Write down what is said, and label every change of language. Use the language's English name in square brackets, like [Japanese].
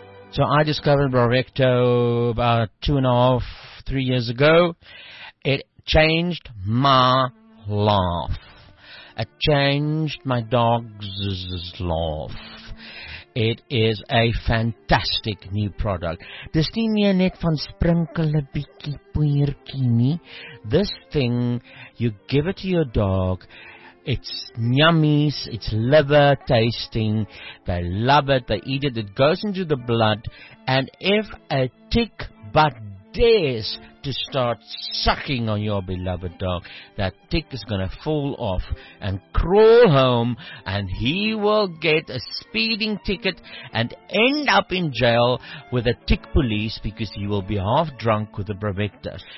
[English] So I discovered Bravecto about 2.5-3 years ago. It changed my life. It changed my dog's life. It is a fantastic new product. [Afrikaans] Dis nie meer net van sprinkel 'n bietjie poeiertjie nie. [English] This thing, you give it to your dog, it's yummies, it's liver tasting, they love it, they eat it, it goes into the blood, and if a tick but dares to start sucking on your beloved dog, that tick is going to fall off and crawl home, and he will get a speeding ticket and end up in jail with a tick police because he will be half drunk with the Bravecto.